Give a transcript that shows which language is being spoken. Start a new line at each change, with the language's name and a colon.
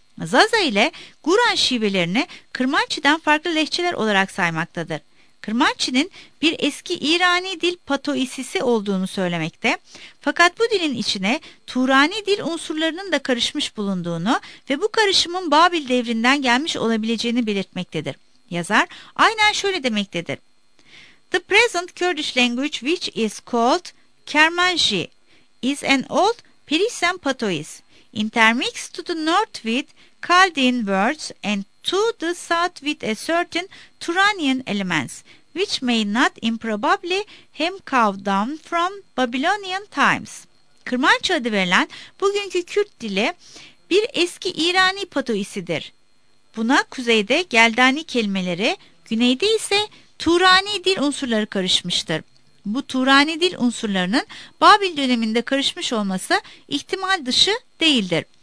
Turkish: Zaza ile Guran şivelerini Kırmançı'dan farklı lehçeler olarak saymaktadır. Kırmançı'nın bir eski İrani dil patoisisi olduğunu söylemekte, fakat bu dilin içine Turani dil unsurlarının da karışmış bulunduğunu ve bu karışımın Babil devrinden gelmiş olabileceğini belirtmektedir. Yazar aynen şöyle demektedir.
English: The present Kurdish language which is called Kermanji is an old Persian patois intermixed to the north with Chaldean words and to the south with a certain Turanian elements which may not improbably have come down from Babylonian times.
Turkish: Kırmançı adı verilen bugünkü Kürt dili bir eski İrani patoisidir. Buna kuzeyde Geldani kelimeleri, güneyde ise Turani dil unsurları karışmıştır. Bu Turani dil unsurlarının Babil döneminde karışmış olması ihtimal dışı değildir.